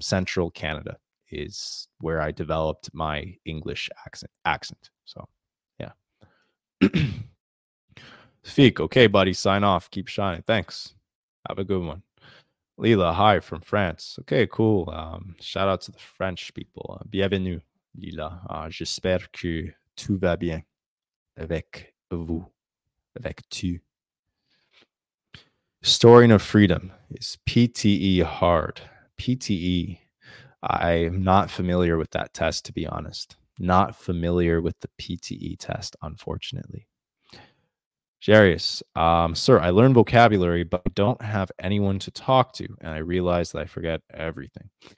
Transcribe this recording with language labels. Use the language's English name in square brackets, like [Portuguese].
[English] Central Canada is where I developed my English accent. So, yeah. Speak. Okay, buddy. Sign off. Keep shining. Thanks. Have a good one. Lila, hi, from France. Okay, cool. Shout out to the French people. [French] Bienvenue, Lila. J'espère que tout va bien. Avec vous, avec tu. [English] Historian of Freedom is PTE hard. PTE, I am not familiar with that test, to be honest. Not familiar with the PTE test, unfortunately. Jarius, sir, I learned vocabulary, but I don't have anyone to talk to, and I realize that I forget everything.